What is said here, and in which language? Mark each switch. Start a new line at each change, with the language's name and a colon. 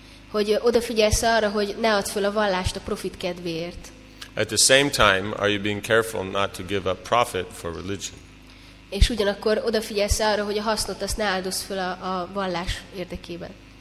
Hungarian: Hogy odafigyelsz arra, hogy ne add fel a vallást a profit kedvéért.
English: At the same time, are you being careful not to give up profit for religion?
Hungarian: És ugyanakkor odafigyelsz arra, hogy a hasznot azt ne áldozz fel a vallás érdekében.